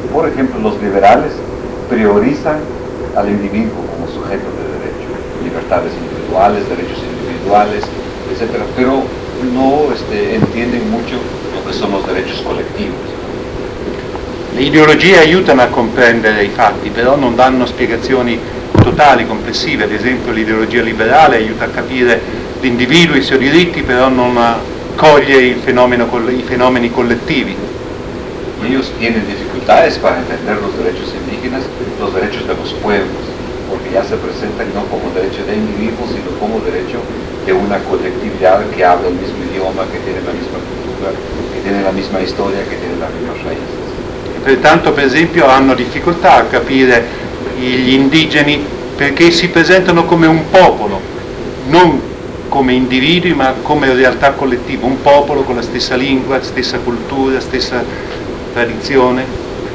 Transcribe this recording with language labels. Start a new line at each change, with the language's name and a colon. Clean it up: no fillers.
Spanish: Por ejemplo, los liberales priorizan al individuo como sujeto de derecho, libertades individuales, derechos individuales, etcétera, pero no entienden mucho lo que son los derechos colectivos.
Italian: Le ideologie aiutano a comprendere i fatti, però non danno spiegazioni totali, complessive. Ad esempio, l'ideologia liberale aiuta a capire l'individuo, i suoi diritti, però non coglie i fenomeni collettivi.
Spanish: Ellos tienen dificultades para entender los derechos indígenas, los derechos de los pueblos, porque ya se presentan no como derecho de individuos, sino como derecho de una colectividad que habla el mismo idioma, que tiene la misma cultura, que tiene la misma historia, que tiene las mismas raíces.
Italian: Pertanto, per esempio, hanno difficoltà a capire gli indigeni perché si presentano come un popolo, non come individui ma come realtà collettiva, un popolo con la stessa lingua, la stessa cultura, la stessa tradizione.